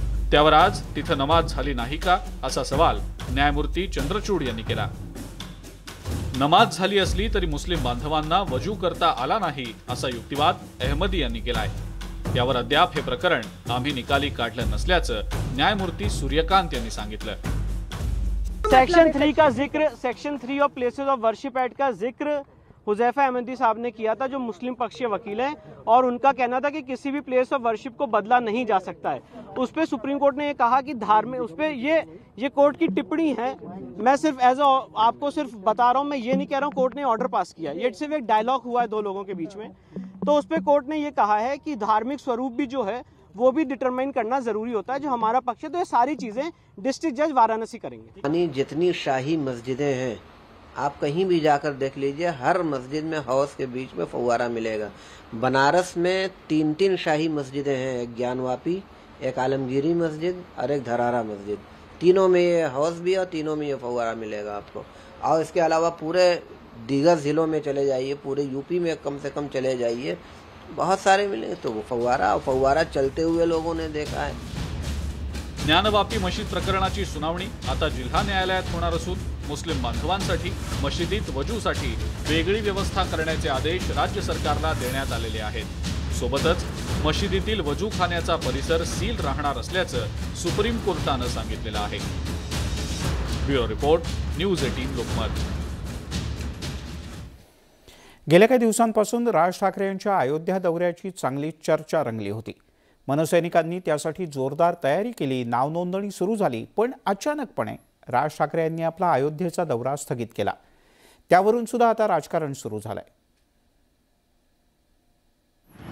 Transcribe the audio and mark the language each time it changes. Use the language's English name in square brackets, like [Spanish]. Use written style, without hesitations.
[Marathi] त्यावर आज तिथं नमाज झाली नाही का असा सवाल न्यायमूर्ती चंद्रचूड यांनी केला। नमाज झाली असली तरी मुस्लिम बांधवांना वजू करता आला नाही असा युक्तिवाद अहमदी यांनी केलाय। त्यावर अद्याप हे प्रकरण आम्ही निकाली काढलं नसल्याचं न्यायमूर्ती सूर्यकांत यांनी सांगितलं। [Hindi] Section 3 of places of worship act का जिक्र हुजैफा अहमदी साहब ने किया था, जो मुस्लिम पक्षीय वकील है, और उनका कहना था कि किसी भी प्लेस ऑफ वर्शिप को बदला नहीं जा सकता है। उस पर सुप्रीम कोर्ट ने यह कहा कि धार्मिक उस पर ये कोर्ट की टिप्पणी है। मैं सिर्फ एज अ आपको सिर्फ बता रहा हूँ, मैं ये नहीं कह रहा हूँ कोर्ट ने ऑर्डर पास किया, ये सिर्फ एक डायलॉग हुआ है दो लोगों के बीच में। तो उस पर कोर्ट ने ये कहा है कि धार्मिक स्वरूप भी जो है वो भी डिटरमाइन करना जरूरी होता है जो हमारा पक्ष है। तो ये सारी चीजें डिस्ट्रिक्ट जज वाराणसी करेंगे। यानी जितनी शाही मस्जिदें हैं आप कहीं भी जाकर देख लीजिए, हर मस्जिद में हौज के बीच में फव्वारा मिलेगा। बनारस में तीन तीन शाही मस्जिदें हैं, एक ज्ञानवापी, एक आलमगीरी मस्जिद और एक धरारा मस्जिद, तीनों में ये हौज भी और तीनों में ये फव्वारा मिलेगा आपको। और इसके अलावा पूरे दीगर जिलों में चले जाइए, पूरे यूपी में कम से कम चले जाइए, बहुत सारे मिलेंगे। तो वो फव्वारा चलते हुए लोगों ने देखा है। [Marathi] ज्ञानवापी मस्जिद प्रकरणाची सुनावणी आता जिल्हा न्यायालयात होणार असून मुस्लिम बांधवांसाठी मशिदीत वजूसाठी वेगळी व्यवस्था करण्याचे आदेश राज्य सरकारला देण्यात आलेले आहेत। सोबतच मशिदीतील वजूखान्याचा परिसर सील राहणार असल्याचं सुप्रीम कोर्टाने सांगितलं आहे। Bureau report, news 18 Lokmat. गेल्या काही दिवसांपासून राज ठाकरे यांच्या अयोध्या दौऱ्याची चांगली चर्चा रंगली होती। मनसैनिकांनी त्यासाठी जोरदार तयारी केली, नावनोंदणी सुरू झाली, पण अचानकपणे राज ठाकरे यांनी आपला अयोध्येचा दौरा स्थगित केला, त्यावरून सुद्धा आता राजकारण सुरू झालंय।